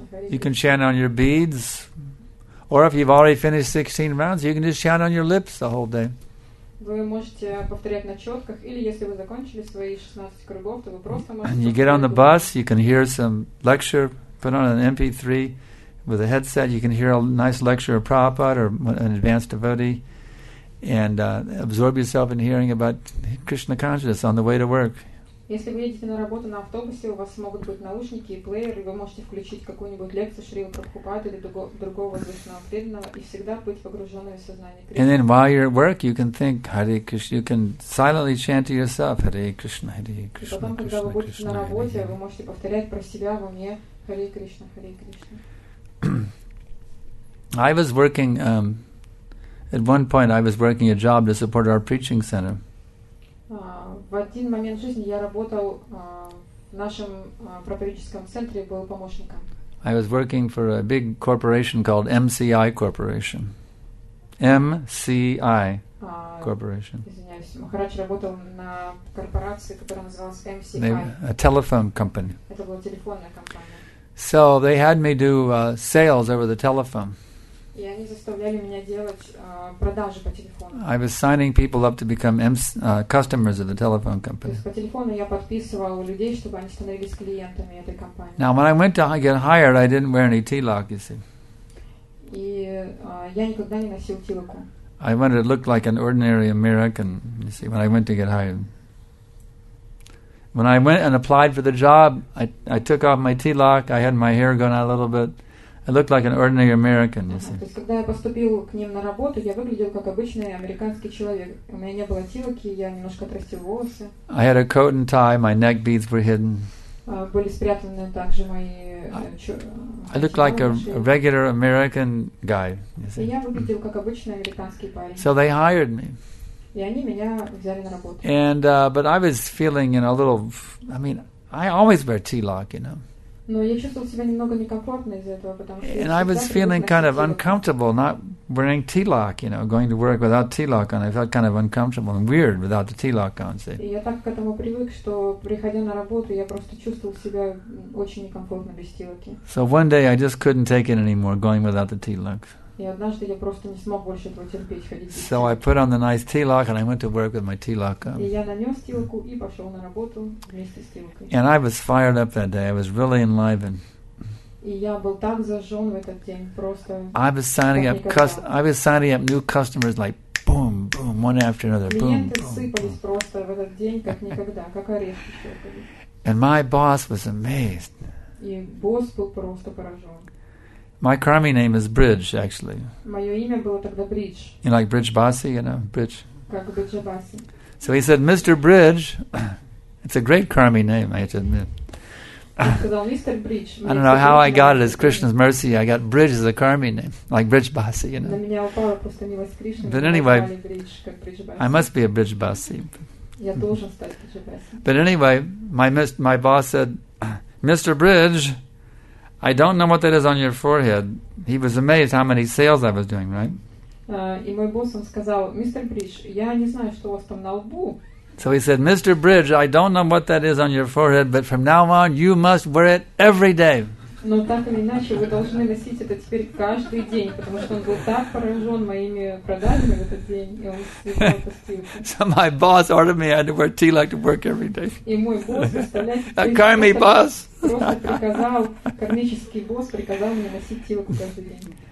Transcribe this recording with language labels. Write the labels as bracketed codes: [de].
[en] You can chant on your beads, or if you've already finished 16 rounds, you can just chant on your lips the whole day. [ru] Вы можете повторять на четках, или если вы закончили свои 16 кругов, то вы просто можете... [en] And you get on the bus, you can hear some lecture, put on an MP3 with a headset, you can hear a nice lecture of Prabhupada or an advanced devotee, and absorb yourself in hearing about Krishna consciousness on the way to work. [ru] Если вы едете на работу на автобусе, у вас могут быть наушники и плеер, и вы можете включить какую-нибудь лекцию Шрилы Прабхупады или другого известного преданного и всегда быть погруженным в сознание Кришны. [en] And then while you're at work, you can think Hare Krishna, you can silently chant to yourself Hare Krishna, Hare Krishna, Krishna Krishna. [ru] И потом, когда вы будете на работе, вы можете повторять про себя во мне Hare Krishna, Hare Krishna. [en] I was working at one point. I was working a job to support our preaching center. [ru] В один момент жизни я работал в нашем проповедническом центре, был помощником. [en] I was working for a big corporation called MCI Corporation. MCI Corporation. [ru] Извиняюсь, Махарадж работал на корпорации, которая называлась MCI. [en] A telephone company. [ru] Это была телефонная компания. [en] So they had me do sales over the telephone. [ru] И они заставляли меня делать продажи по телефону. [en] I was signing people up to become customers of the telephone company. [ru] То есть по телефону я подписывал людей, чтобы они становились клиентами этой компании. [en] Now, when I went to get hired, I didn't wear any tilak, you see. [ru] И я никогда не носил тилаку. [en] I wanted to look like an ordinary American, you see, when I went to get hired. When I went and applied for the job, I took off my tilak, I had my hair going out a little bit. I looked like an ordinary American, you see. [ru] То есть, когда я поступил к ним на работу, я выглядел как обычный американский человек. У меня не было тилоки, я немножко отрастил волосы. [en] I had a coat and tie, my neck beads were hidden. [ru] Были спрятаны также мои... [en] I looked like a regular American guy, you see. [ru] И я выглядел как обычный американский парень. [en] So they hired me. [ru] И они меня взяли на работу. [en] And, but I was feeling, you know, a little... I mean, I always wear tilak, you know. [ru] Но я чувствовал себя немного некомфортно из-за этого, потому что... [en] And I was feeling kind of uncomfortable not wearing tilak, you know, going to work without tilak on. I felt kind of uncomfortable and weird without the tilak on, see. [ru] И я так к этому привык, что, приходя на работу, я просто чувствовал себя очень некомфортно без тилаки. [en] So one day I just couldn't take it anymore, going without the tilak. [ru] И однажды я просто не смог больше этого терпеть, ходить. [en] So I put on the nice tilak and I went to work with my tilak on. [ru] И я нанес тилаку и пошел на работу вместе с тилакой. [en] And I was fired up that day. I was really enlivened. [ru] И я был так зажжен в этот день, просто. [en] I was signing up new customers like boom, boom, one after another, boom, [ru] клиенты [en] boom. [ru] Клиенты сыпались просто в этот день как никогда, как орехи щелкали. [en] And my boss was amazed. [ru] И босс был просто поражен. [en] My Karmi name is Bridge, actually. [ru] Моё имя было тогда Bridge. [en] You know, like Bridge Basi, you know, Bridge. [ru] Как Bridge Basi. [en] So he said, Mr. Bridge, it's a great Karmi name, I have to admit. [ru] Сказал, Mr. Bridge. [en] I don't know how I got it, it's Krishna's mercy. I got Bridge as a Karmi name, like Bridge Basi, you know. [ru] На меня упала просто милость Кришны. [en] But anyway, Bridge, I must be a Bridge Basi. [ru] Я должен стать Bridge Basi. [en] But anyway, my boss said, Mr. Bridge, I don't know what that is on your forehead. He was amazed how many sales I was doing, right? [ru] И мой босс сказал, Mr. Bridge, я не знаю, что у вас там на лбу, [en] So he said, Mr. Bridge, I don't know what that is on your forehead, but from now on, you must wear it every day. [ru] Но так или иначе, вы должны носить это теперь каждый день, потому что он был так поражен моими продажами в этот день, и он [en] So my boss ordered me, I had to wear tealak to work every day. [ru] И мой босс заставляет... [en] A karmic boss. [ru] Просто приказал, кармический босс приказал мне носить тилаку каждый день.